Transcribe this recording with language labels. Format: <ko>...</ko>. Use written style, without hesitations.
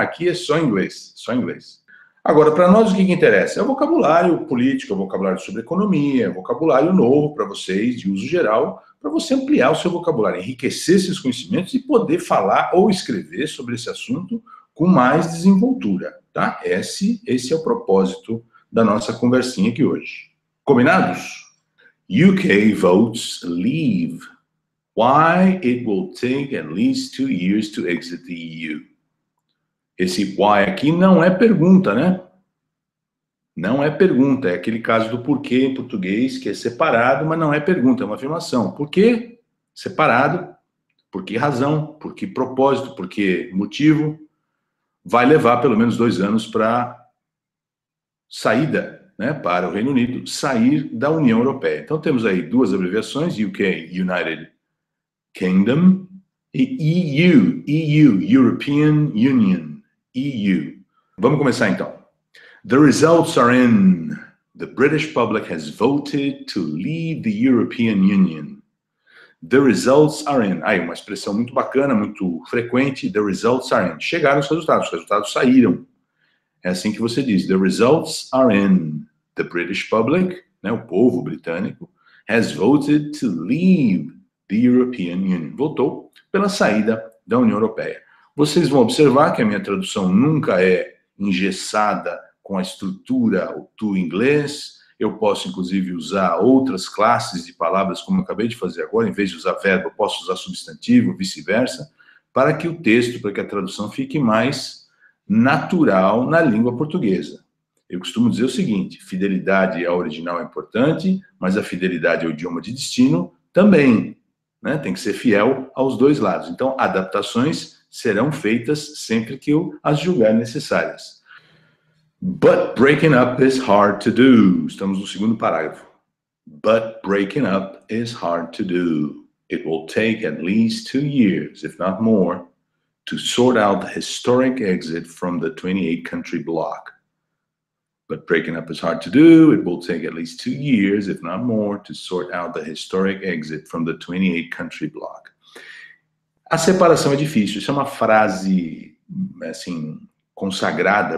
<pt>Aqui é só inglês, só inglês. Agora, para nós o que interessa? É o vocabulário político, é o vocabulário sobre economia, é o vocabulário novo para vocês, de uso geral, para você ampliar o seu vocabulário, enriquecer seus conhecimentos e poder falar ou escrever sobre esse assunto com mais desenvoltura, tá? Esse é o propósito da nossa conversinha aqui hoje. Combinados?</pt> <en>UK votes leave. Why it will take at least 2 years to exit the EU.</en> <pt>Esse why aqui não é pergunta, né? Não é pergunta. É aquele caso do porquê em português, que é separado, mas não é pergunta, é uma afirmação. Por quê? Separado. Por que razão? Por que propósito? Por que motivo? Vai levar pelo menos 2 anos para saída, né, para o Reino Unido, sair da União Europeia. Então temos aí duas abreviações, UK, United Kingdom, e EU, European Union, EU. Vamos começar então.</pt> <en>The results are in. The British public has voted to leave the European Union. The results are in.</en> <pt>Aí, uma expressão muito bacana, muito frequente,</pt> <en>the results are in.</en> <pt>Chegaram os resultados saíram. É assim que você diz,</pt> <en>the results are in. The British public, né,</en> <pt>o povo britânico,</pt> <en>has voted to leave the European Union.</en> <pt>Votou pela saída da União Europeia. Vocês vão observar que a minha tradução nunca é engessada com a estrutura do inglês. Eu posso, inclusive, usar outras classes de palavras, como eu acabei de fazer agora. Em vez de usar verbo, eu posso usar substantivo, vice-versa, para que o texto, para que a tradução fique mais natural na língua portuguesa. Eu costumo dizer o seguinte, fidelidade ao original é importante, mas a fidelidade ao idioma de destino também, né? Tem que ser fiel aos dois lados. Então, adaptações serão feitas sempre que eu as julgar necessárias.</pt> <en>But breaking up is hard to do.</en> <pt>Estamos no segundo parágrafo.</pt> <en>But breaking up is hard to do. It will take at least 2 years, if not more, to sort out the historic exit from the 28-country block. But breaking up is hard to do. It will take at least 2 years, if not more, to sort out the historic exit from the 28-country block.</en> <pt>A separação é difícil. Isso é uma frase, assim, consagrada.</pt>